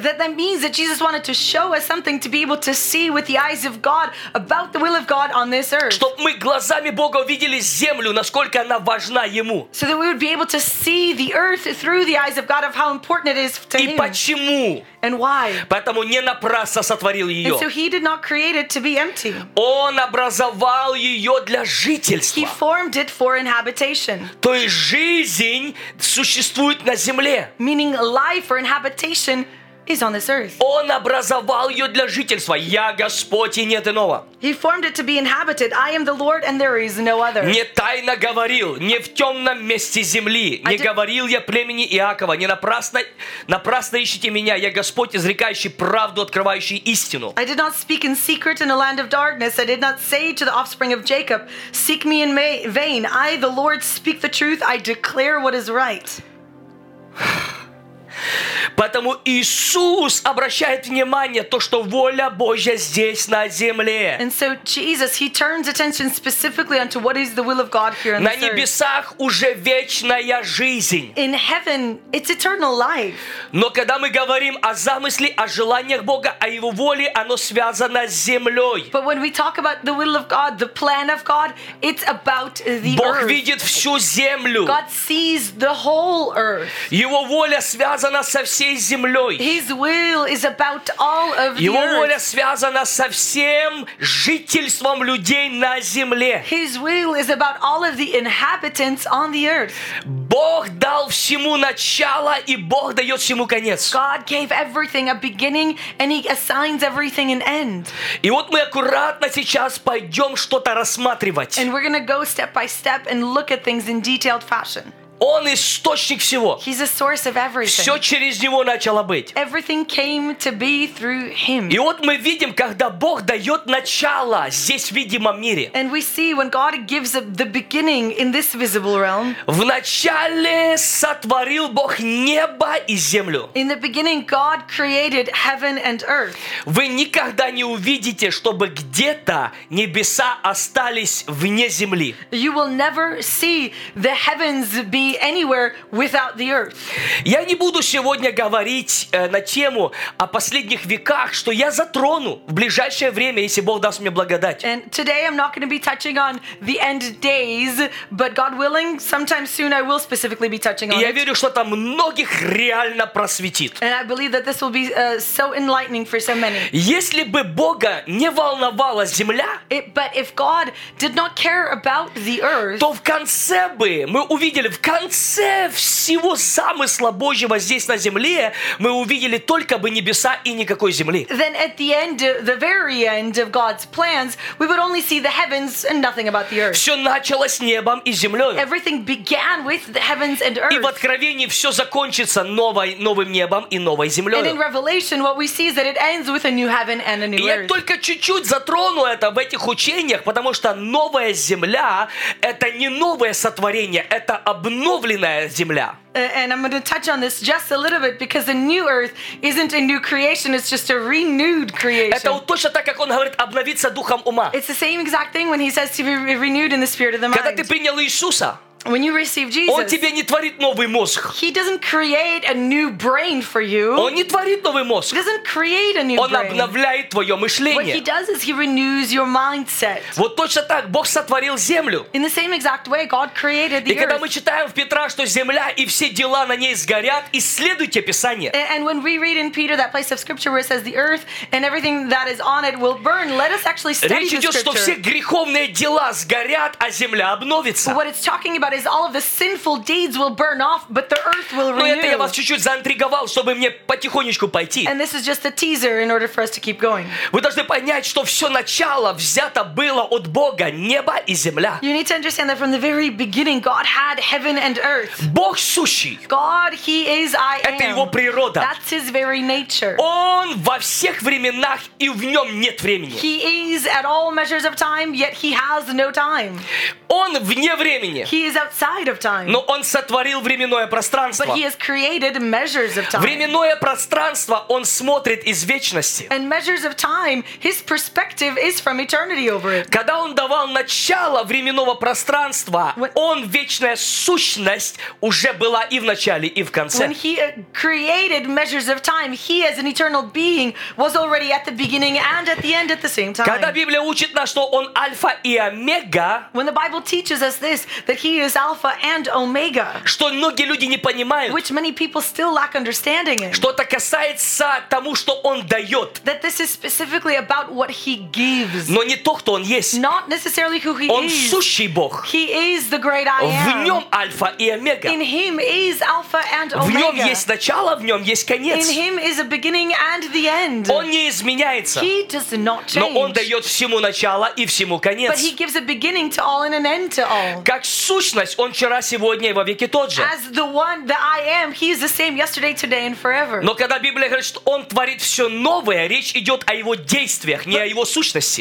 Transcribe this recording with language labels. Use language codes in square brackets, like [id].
[en] That means that Jesus wanted to show us something to be able to see with the eyes of God about the will of God on this earth. [ru] Чтобы мы глазами Бога увидели землю, насколько она важна Ему. [en] So that we would be able to see the earth through the eyes of God of how important it is to Him. [ru] И почему? [en] And why? [ru] Поэтому не напрасно сотворил ее. [en] And so He did not create it to be empty. [ru] Он образовал ее для жительства. [en] He formed it for inhabitation. [ru] То есть жизнь существует на земле. [en] Meaning life or inhabitation is on this earth. [ru] Он образовал ее для жительства. Я Господь и нет иного. [en] He formed it to be inhabited. I am the Lord and there is no other. [ru] Не тайно говорил, не в темном месте земли. Не говорил я племени Иакова. Не напрасно ищите меня. Я Господь, изрекающий правду, открывающий истину. [en] I did not speak in secret in a land of darkness. I did not say to the offspring of Jacob, seek me in vain. I, the Lord, speak the truth. I declare what is right. [ru] Поэтому Иисус обращает внимание то, что воля Божья здесь на земле. [en] And so Jesus, he turns attention specifically onto what is the will of God here on [ru] На небесах [en] earth. [ru] Уже вечная жизнь. [en] In heaven, it's eternal life. [ru] Но когда мы говорим о замысле, о желаниях Бога, о Его воле, оно связано с землей. [en] But when we talk about the will of God, the plan of God, it's about the [ru] Бог [en] earth. [ru] Бог видит всю землю. [en] God sees the whole earth. [ru] Его воля связана со всей всей землей. [en] His will is about all of the [ru] Его воля связана со всем жительством людей на земле. [en] His will is about all of the inhabitants on the earth. [ru] Бог дал всему начало, и Бог дает всему конец. [en] God gave everything a beginning, and He assigns everything an end. [ru] И вот мы аккуратно сейчас пойдем что-то рассматривать. [en] And we're gonna go step by step and look at things in detailed fashion. [ru] Он источник всего. [en] He's a source of everything. [ru] Все через него начало быть. [en] Everything came to be through him. [ru] И вот мы видим, когда Бог дает начало здесь в видимом мире. [en] And we see when God gives the beginning in this visible realm. [ru] В начале сотворил Бог небо и землю. [en] In the beginning, God created heaven and earth. [ru] Вы никогда не увидите, чтобы где-то небеса остались вне земли. [en] You will never see the heavens anywhere without the earth. [ru] Я не буду сегодня говорить на тему о последних веках, что я затрону в ближайшее время, если Бог даст мне благодать. [en] And today I'm not going to be touching on the end days, but God willing, sometime soon I will specifically be touching on it. [ru] Я верю, что там многих реально просветит. [en] And I believe that this will be so enlightening for so many. [ru] Если бы Бога не волновала земля, [en] but if God did not care about the earth, [ru] то в конце бы мы увидели в конце всего замысла Божьего здесь на земле мы увидели только бы небеса и никакой земли. [en] Then at the end, the very end of God's plans, we would only see the heavens and nothing about the earth. [ru] Все началось с небом и землей. [en] Everything began with the heavens and earth. [ru] И в Откровении все закончится новым небом и новой землей. [en] And in Revelation, what we see is that it ends with a new heaven and a new earth. [ru] Я только чуть-чуть затрону это в этих учениях, потому что новая земля это не новое сотворение, это обновленная земля. [en] And I'm going to touch on this just a little bit because the new earth isn't a new creation, it's just a renewed creation. [ru] Это вот точно так, как он говорит, обновиться духом ума. [en] It's the same exact thing when he says to be renewed in the spirit of the mind. [ru] Когда ты принял Иисуса, [en] when you receive Jesus, [ru] он тебе не творит новый мозг. [en] He doesn't create a new brain for you. [ru] Он не творит новый мозг. [en] He doesn't create a new brain. [ru] Он обновляет твое мышление. [en] What he does is he renews your mindset. [ru] Вот точно так Бог сотворил землю. [en] In the same exact way, God created the earth. [ru] И когда мы читаем в Петра, что земля и все дела на ней сгорят, исследуйте Писание. [en] And when we read in Peter that place of Scripture where it says the earth and everything that is on it will burn, let us actually study the Scripture. [ru] Речь идет, что все греховные дела сгорят, а земля обновится. [en] What it's talking about is all of the sinful deeds will burn off, but the earth will renew. [ru] Это я вас чуть-чуть заинтриговал, чтобы мне потихонечку пойти. [en] And this is just a teaser in order for us to keep going. [ru] Вы должны понять, что все начало взято было от Бога, небо и земля. [en] You need to understand that from the very beginning, God had heaven and earth. [ru] Бог сущий. [en] God, He is I am. [ru] Это Его природа. [en] That's His very nature. [ru] Он во всех временах и в нем нет времени. [en] He is at all measures of time, yet He has no time. [ru] Он вне времени. [en] He is outside of time. [ru] Но он сотворил временное пространство. [en] But he has created measures of time. [ru] Временное пространство он смотрит из вечности. [en] And measures of time, his perspective is from eternity over it. [ru] Когда он давал начало временного пространства, он вечная сущность уже была и в начале, и в конце. [en] When he created measures of time, he as an eternal being was already at the beginning and at the end at the same time. [ru] Когда Библия учит нас, что он альфа и омега, [en] when the Bible teaches us this, that he is Alpha and Omega. [ru] Что многие люди не понимают. [en] Which many people still lack understanding in. [ru] Что-то касается тому, что он дает. [en] That this is specifically about what he gives. [ru] Но не то, кто он есть. [en] Not necessarily who he [ru] он [en] is. [ru] Он сущий Бог. [en] He is the great I am. [ru] В нем Альфа и Омега. [en] In him is Alpha and Omega. [ru] В нем есть начало, в нем есть конец. [en] In him is a beginning and the end. [ru] Он не изменяется. [en] He does not change. [ru] Но он дает всему начало и всему конец. [en] But he gives a beginning to all and an end to all. [ru] Как сущность, он вчера, сегодня и во веки тот же. [en] As the one that I am, he is the same yesterday, today and forever. [ru] Но когда Библия говорит, что он творит все новое, речь идет о его действиях, не о его сущности.